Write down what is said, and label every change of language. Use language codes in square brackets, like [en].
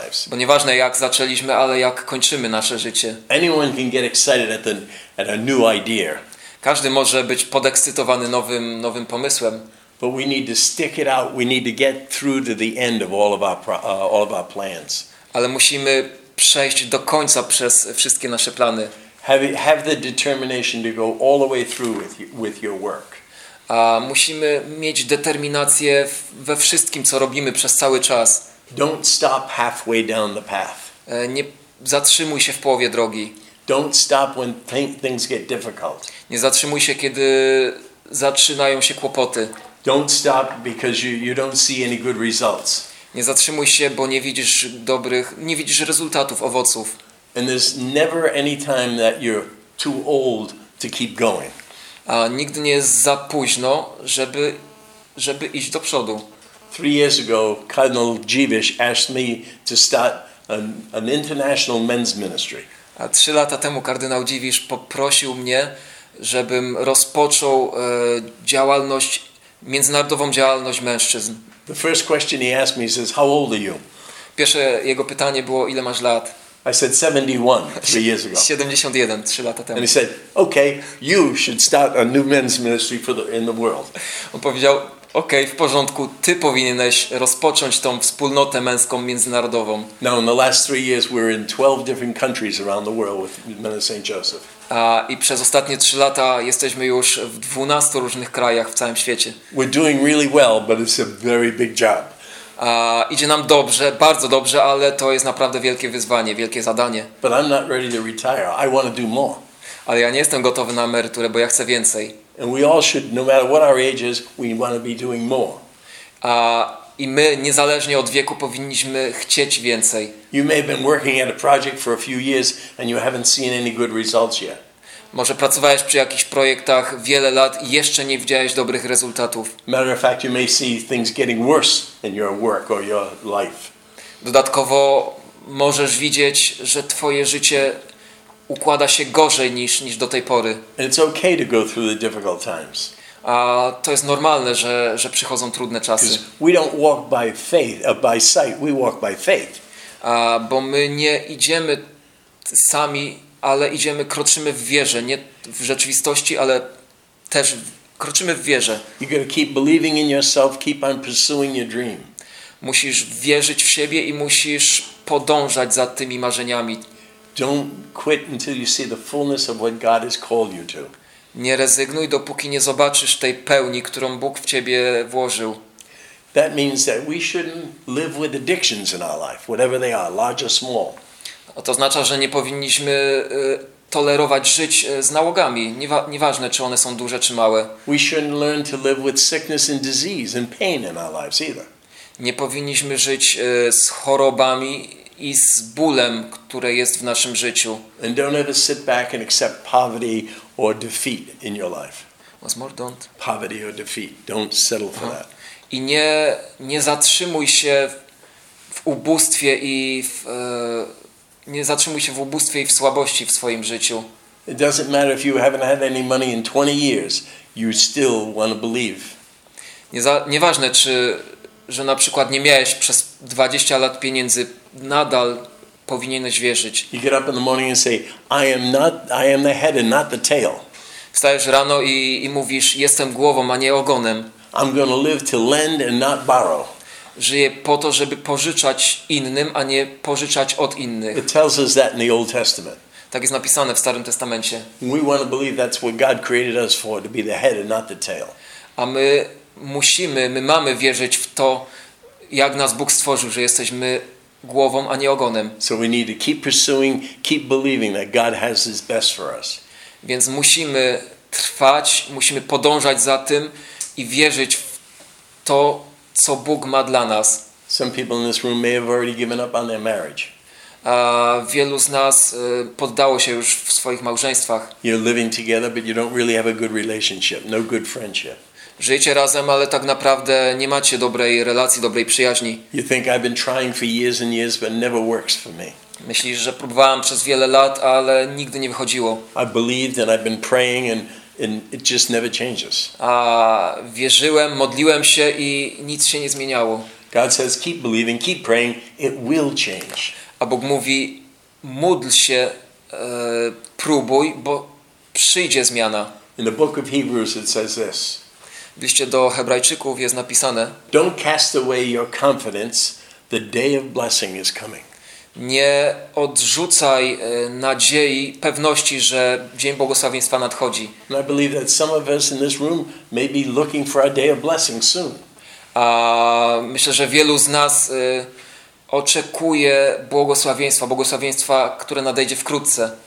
[pl] Bo nieważne jak zaczęliśmy, ale jak kończymy nasze życie. [en] Anyone can get excited at a new idea. [pl] Każdy może być podekscytowany nowym pomysłem. [en] But we need to stick it out. We need to get through to the end of all of our plans. [pl] Ale musimy przejść do końca przez wszystkie nasze plany. [en] Have the determination to go all the way through with your work. [pl] Musimy mieć determinację we wszystkim, co robimy przez cały czas. [en] Don't stop halfway down the path. [pl] Nie zatrzymuj się w połowie drogi. [en] Don't stop when things get difficult. [pl] Nie zatrzymuj się, kiedy zaczynają się kłopoty. [en] Don't stop because you don't see any good results. [pl] Nie zatrzymuj się, bo nie widzisz dobrych, nie widzisz rezultatów, owoców. [en] And there's never any time that you're too old to keep going. [pl] A nigdy nie jest za późno, żeby iść do przodu. [en] 3 years ago, Cardinal Jeebish asked me to start an international men's ministry. [pl] A 3 lata temu kardynał Jeebish poprosił mnie, żebym rozpoczął działalność, międzynarodową działalność mężczyzn. [en] The first question he asked me is, how old are you? [pl] Pierwsze jego pytanie było, ile masz lat? [en] I said 71 3 years ago. [pl] 71, 3 lata temu. [en] And he said, okay, you should start a new men's ministry in the world. [pl] On powiedział, okay, w porządku, ty powinieneś rozpocząć tą wspólnotę męską międzynarodową. [en] Now in the last 3 years we're in 12 different countries around the world with Men of St. Joseph. [pl] I przez ostatnie 3 lata jesteśmy już w 12 różnych krajach w całym świecie. [en] We're doing really well, but it's a very big job. [pl] Idzie nam dobrze, bardzo dobrze, ale to jest naprawdę wielkie wyzwanie, wielkie zadanie. [en] But I'm not ready to retire. I want to do more. [pl] Ale ja nie jestem gotowy na emeryturę, bo ja chcę więcej. [en] And we all should, no matter what our age is, we want to be doing more. [pl] I my, niezależnie od wieku, powinniśmy chcieć więcej. [en] You may have been working at a project for a few years and you haven't seen any good results yet. [pl] Może pracowałeś przy jakichś projektach wiele lat i jeszcze nie widziałeś dobrych rezultatów. [en] Matter of fact, you may see things getting worse in your work or your life. [pl] Dodatkowo możesz widzieć, że twoje życie układa się gorzej niż do tej pory. [en] And it's okay to go through the difficult times. [pl] A to jest normalne, że przychodzą trudne czasy. [en] We don't walk by faith, by sight, we walk by faith. [pl] Bo my nie idziemy sami, ale idziemy, kroczymy w wierze, nie w rzeczywistości, ale też kroczymy w wierze. [en] You gotta keep believing in yourself, keep on pursuing your dream. [pl] Musisz wierzyć w siebie i musisz podążać za tymi marzeniami. [en] Don't quit until you see the fullness of what God has called you to. [pl] Nie rezygnuj, dopóki nie zobaczysz tej pełni, którą Bóg w ciebie włożył. [en] That means that we shouldn't live with addictions in our life, whatever they are, large or small. [pl] A to oznacza, że nie powinniśmy tolerować żyć z nałogami, nieważne czy one są duże czy małe. [en] We shouldn't learn to live with sickness and disease and pain in our lives either. [pl] Nie powinniśmy żyć z chorobami i z bólem, które jest w naszym życiu. [en] And don't ever sit back and accept poverty or defeat in your life. What's more, don't. Poverty or defeat. Don't settle for that. [pl] I nie zatrzymuj się w ubóstwie i w nie zatrzymuj się w ubóstwie i w słabości w swoim życiu. [en] It doesn't matter if you haven't had any money in 20 years, you still want to believe. [pl] Nieważne, czy że na przykład nie miałeś przez 20 lat pieniędzy, nadal powinieneś wierzyć. [en] You get up in the morning and say, I am the head and not the tail. [pl] Wstajesz rano i mówisz, jestem głową, a nie ogonem. [en] I'm going to live to lend and not borrow. [pl] Żyje po to, żeby pożyczać innym, a nie pożyczać od innych. [en] It tells us that in the Old Testament. [pl] Tak jest napisane w Starym Testamencie. [en] We want to believe that's what God created us for, to be the head and not the tail. [pl] A my mamy wierzyć w to, jak nas Bóg stworzył, że jesteśmy głową, a nie ogonem. [en] So we need to keep pursuing, keep believing that God has his best for us. [pl] Więc musimy trwać, musimy podążać za tym i wierzyć w to, co Bóg ma dla nas. [en] Some people in this room may have already given up on their marriage. [pl] Wielu z nas poddało się już w swoich małżeństwach. [en] You're living together, but you don't really have a good relationship, no good friendship. [pl] Żyjecie razem, ale tak naprawdę nie macie dobrej relacji, dobrej przyjaźni. [en] You think I've been trying for years and years, but never works for me. [pl] Myślisz, że próbowałem przez wiele lat, ale nigdy nie wychodziło. [en] I believed and I've been praying and it just never changes. [pl] A wierzyłem, modliłem się i nic się nie zmieniało. [en] God says, keep believing, keep praying, it will change. [pl] A Bóg mówi, módl się, próbuj, bo przyjdzie zmiana. [en] In the book of Hebrews it says this. [pl] W liście do Hebrajczyków jest napisane: [en] don't cast away your confidence, the day of blessing is coming. [pl] Nie odrzucaj nadziei, pewności, że dzień błogosławieństwa nadchodzi. [en] And I believe that some of us in this room may be looking for a day of blessing soon. [pl] A myślę, że wielu z nas oczekuje błogosławieństwa, błogosławieństwa, które nadejdzie wkrótce.